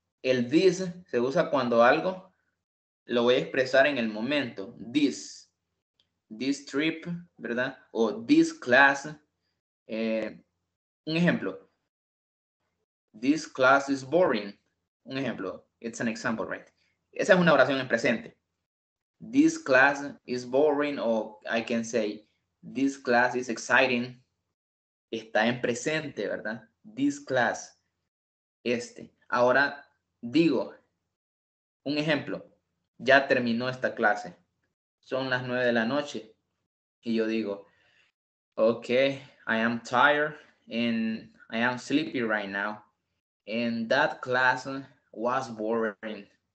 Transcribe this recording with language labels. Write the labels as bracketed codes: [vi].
[es] el this se usa cuando algo lo voy a expresar en el momento. [en] This trip, [es] ¿verdad? O [en] this class. [es] Un ejemplo. [en] This class is boring. [es] Un ejemplo. [en] It's an example, right? [es] Esa es una oración en presente. [en] This class is boring. O I can say, this class is exciting. [es] Está en presente, ¿verdad? [en] This class. [es] Este. Ahora... digo, un ejemplo, ya terminó esta clase, son las 9 de la noche, y yo digo, ok, [en] I am tired, and I am sleepy right now, and that class was boring.